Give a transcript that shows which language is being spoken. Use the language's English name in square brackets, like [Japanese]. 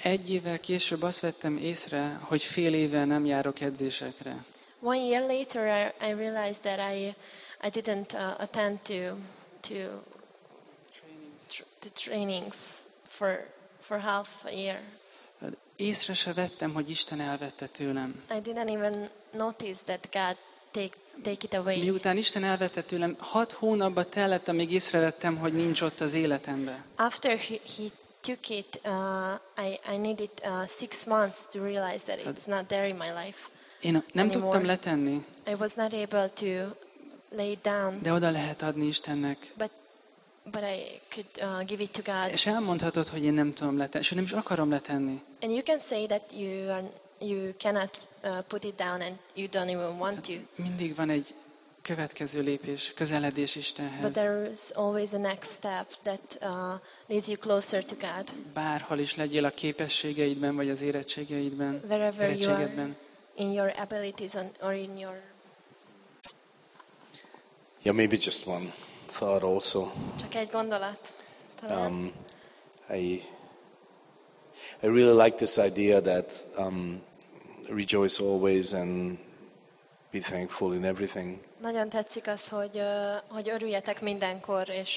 [Hungarian] Egy évvel később azt vettem észre, hogy fél éve nem járok edzésekre. [English] One year later I realized that I didn't attend to trainings for half a year. [Hungarian] Észre se vettem, hogy Isten elvette tőlem. [English] I didn't even notice that God take it away. [Hungarian] Miután Isten elvette tőlem, 6 hónapba tellett, amíg észrevettem, hogy nincs ott az életemben. [English] After he took it, I needed 6 months to realize that it's not there in my life. [Hungarian] Én nem [English] anymore. [Hungarian] Tudtam letenni. [English] I was not able to lay it down. [Hungarian] De oda lehet adni Istennek. [English] But I could give it to God. [Hungarian] És elmondhatod, hogy én nem tudom letenni, és nem is akarom letenni. [English] And you can say that you cannot put it down and you don't even want to. [Hungarian] Mindig van egy következő lépés, közeledés Istenhez. [English] But there is always a next step that leads you closer to God. [Hungarian] Bárhol is legyél a képességeidben vagy az érettségeidben. [English] Wherever you are in your abilities or in your. Yeah, maybe just one thought also. [Hungarian] Csak egy gondolat. [English] I really like this idea that rejoice always and be thankful in everything. [Hungarian] Nagyon tetszik az, hogy örüljetek mindenkor